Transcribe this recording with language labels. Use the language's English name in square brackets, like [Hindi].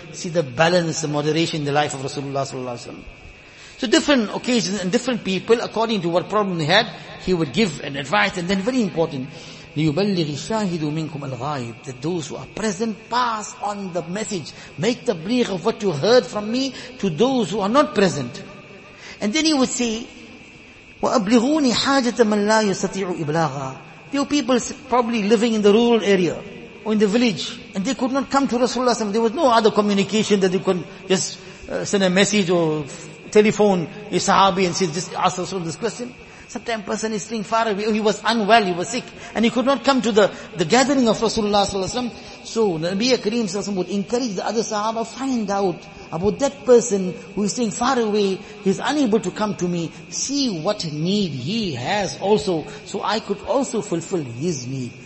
[English] See the balance, the moderation in the life of Rasulullah sallallahu alaihi wasallam. So different occasions and different people, according to what problem they had, he would give an advice. And then very important, [Arabic] لِيُبَلِّغِ الشَّاهِدُ مِنْكُمْ الْغَائِبِ, [English] that those who are present, pass on the message. Make the tabligh of what you heard from me to those who are not present. And then he would say, [Arabic] وَأَبْلِغُونِ حَاجَةَ مَنْ لَا يَسْتَطِيعُ إِبْلَاغًا. [English] There were people probably living in the rural area or in the village, and they could not come to Rasulullah SAW. There was no other communication that they could just send a message or telephone a sahabi and say, just ask Rasulullah this question. Sometimes person is staying far away, he was unwell, he was sick, and he could not come to the gathering of Rasulullah sallallahu alaihi wasallam. So Nabi Kareem sallallahu alaihi wasallam would encourage the other sahaba, find out about that person who is staying far away, he is unable to come to me, see what need he has also, so I could also fulfill his need.